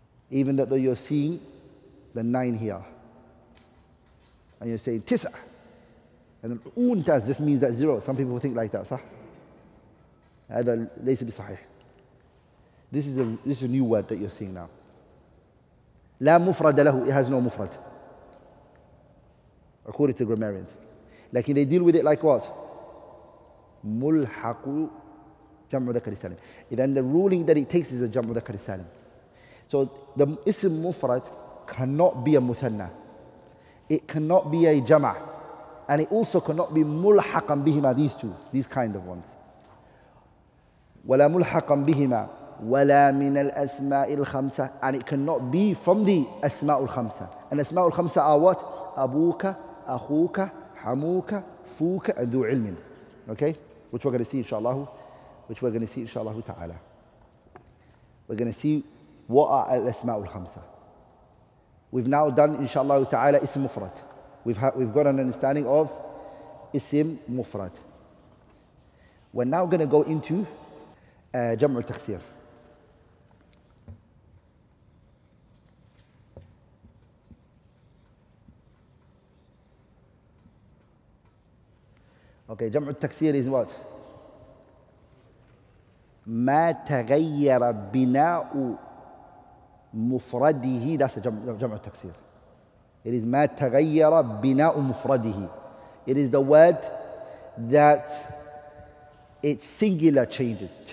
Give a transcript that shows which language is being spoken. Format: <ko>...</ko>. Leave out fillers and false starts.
<en>Even that though you're seeing the 9 here, and you're saying tis'a, and untas just means that 0. Some people think like that, صح?</en> <ar>هذا ليس بصحيح.</ar> <en>This is a new word that you're seeing now.</en> <ar>لا مفرد له, it has no مفرد.</ar> <en>According to grammarians. Like they deal with it like what?</en> <ar>ملحق جمع ذكر السالم.</ar> <en>Then the ruling that it takes is a جمع ذكر السالم. So the اسم مفرد cannot be a مثنى. It cannot be a جمع. And it also cannot be ملحقا بهما, these two, these kind of ones.</en> <ar>ولا ملحقا بهما. وَلَا مِنَ الْأَسْمَاءِ الْخَمْسَةِ, and it cannot be from the أَسْمَاءُ الْخَمْسَةِ.</ar> <en>And أَسْمَاءُ الْخَمْسَةِ are what?</en> <ar>أَبُوكَ, أَخُوكَ, حَمُوكَ, فُوكَ, and ذُو عِلْمٍ.</ar> <en>Okay? Which we're going to see, inshallah. Which we're going to see, inshallah ta'ala. We're going to see what are al-asma'ul khamsa. We've now done, inshallah ta'ala, ism mufrad. We've got an understanding of ism mufrad. We're now going to go into jam'ul taqsir. Okay, jam'ul taqsir is what?</en> <ar>ما تغير بناء مفرده.</ar> <en>That's a جمع التكسير.</en> <ar>It is ما تغير بناء مفرده.</ar> <en>It is the word that its singular changed.</en>